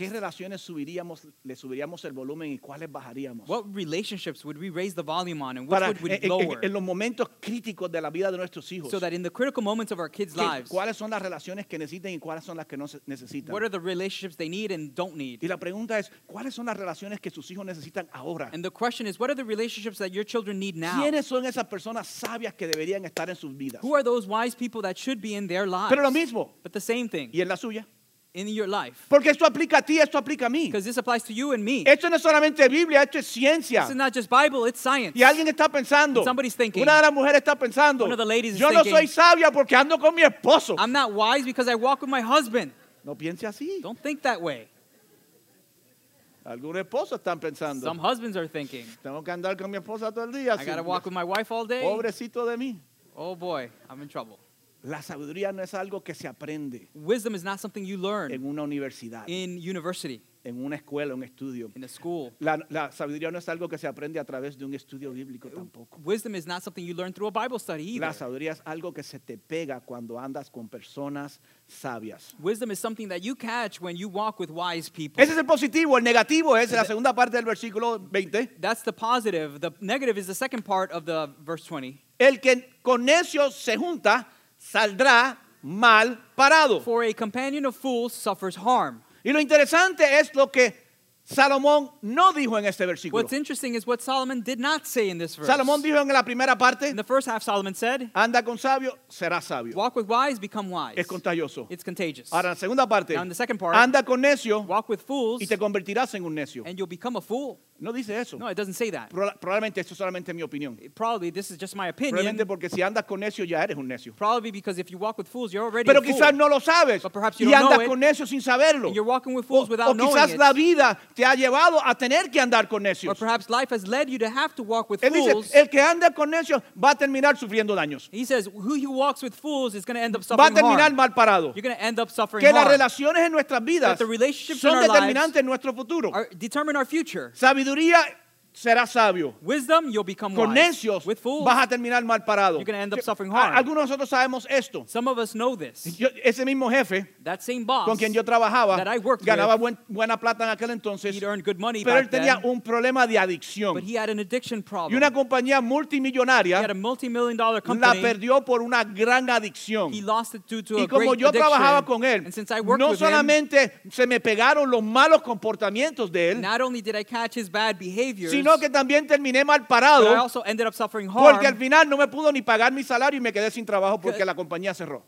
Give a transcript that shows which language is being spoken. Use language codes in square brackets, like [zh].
[es] ¿Qué relaciones le subiríamos el volumen y cuáles bajaríamos? [en] What relationships would we raise the volume on and which would we lower? [es] En los momentos críticos de la vida de nuestros hijos. [en] So that in the critical moments of our kids' lives. [es] ¿Cuáles son las relaciones que necesitan y cuáles son las que no necesitan? [en] What are the relationships they need and don't need? [es] Y la pregunta es, ¿cuáles son las relaciones que sus hijos necesitan ahora? [en] And the question is, what are the relationships that your children need now? [es] ¿Quiénes son esas personas sabias que deberían estar en sus vidas? [en] Who are those wise people that should be in their lives? [es] Pero lo mismo. [en] But the same thing. [es] ¿Y en la suya? [en] In your life. [es] Porque esto aplica a ti, esto aplica a mí. [en] Because this applies to you and me. [es] Esto no es solamente Biblia, esto es ciencia. [en] This is not just Bible, it's science. [es] Y alguien está pensando. [en] And somebody's thinking. [es] Una de las mujeres está pensando. [en] One of the ladies is [es] yo [en] thinking. [es] Yo no soy sabia porque ando con mi esposo. [en] I'm not wise because I walk with my husband. [es] No piense así. [en] Don't think that way. [es] Algunos esposos están pensando. [en] Some husbands are thinking. [es] Tengo que andar con mi esposa todo el día. [en] I gotta walk with my wife all day. [es] Pobrecito de mí. [en] Oh boy, I'm in trouble. [es] La sabiduría no es algo que se aprende. [en] Wisdom is not something you learn. [es] En una universidad. [en] In university. [es] En una escuela, un estudio. [en] In a school. [es] La sabiduría no es algo que se aprende a través de un estudio bíblico tampoco. [en] Wisdom is not something you learn through a Bible study either. [es] La sabiduría es algo que se te pega cuando andas con personas sabias. [en] Wisdom is something that you catch when you walk with wise people. [es] Ese es el positivo. El negativo es la segunda parte del versículo 20. [en] That's the positive. The negative is the second part of the verse 20. [es] El que con necios se junta saldrá mal parado. [en] For a companion of fools suffers harm. [es] Y lo interesante es lo que Salomón no dijo en este versículo. [en] What's interesting is what Solomon did not say in this verse. [es] Salomón dijo en la primera parte. [en] In the first half, Solomon said, [es] anda con sabio, será sabio. [en] Walk with wise, become wise. [es] Es contagioso. [en] It's contagious. [es] Ahora en la segunda parte. [en] Now in the second part, [es] anda con necio, [en] walk with fools, [es] y te convertirás en un necio. [en] And you'll become a fool. [es] No dice eso. [en] No, it doesn't say that. [es] Probablemente esto es solamente mi opinión. [en] Probably this is just my opinion. [es] Probablemente porque si andas con necio ya eres un necio. [en] Probably because if you walk with fools you're already [es] pero [en] a fool. [es] Pero quizás no lo sabes. [en] But perhaps you don't know it. [es] Y andas con necio sin saberlo. [en] And you're walking with fools without knowing it. [es] O quizás la vida te ha llevado a tener que andar con necios. [en] Or perhaps life has led you to have to walk with [es] él [en] fools. [es] Él dice, el que anda con necios va a terminar sufriendo daños. [en] He says, who walks with fools is going to end up suffering [es] va a terminar [en] harm. [es] Mal parado. [en] You're going to end up suffering [es] que [en] harm. [es] Que las relaciones en nuestras vidas [en] the relationships [es] son [en] in our [es] determinantes en nuestro futuro. [en] Determine our future. [es] Sabiduría serás sabio. [en] Wisdom, you'll become [es] con [en] wise. [es] Necios, [en] with fools, [es] vas a terminar mal parado. [en] You're going to end up suffering harm. [es] Algunos de nosotros sabemos esto. [en] Some of us know this. [es] Yo, ese mismo jefe, [en] that same boss, [es] con quien yo trabajaba, [en] that I worked [es] ganaba [en] with, [es] buena plata en aquel entonces. [en] He'd earned good money [es] pero [en] back [es] él tenía [en] then, [es] un problema de adicción. [en] But he had an addiction problem. [es] Y una compañía multimillonaria, [en] he had a multi-million dollar company, [es] la perdió por una gran adicción. [en] He lost it due to [es] y [en] a [es] y como [en] great [es] yo trabajaba con él, [en] and since I worked [es] no [en] with [es] solamente [en] him, [es] se me pegaron los malos comportamientos de él, [en] not only did I catch his bad behavior, [es] sino que también terminé mal parado, [en] but I also ended up suffering harm, [es] porque al final no me pudo ni pagar mi salario y me quedé sin trabajo porque la compañía cerró.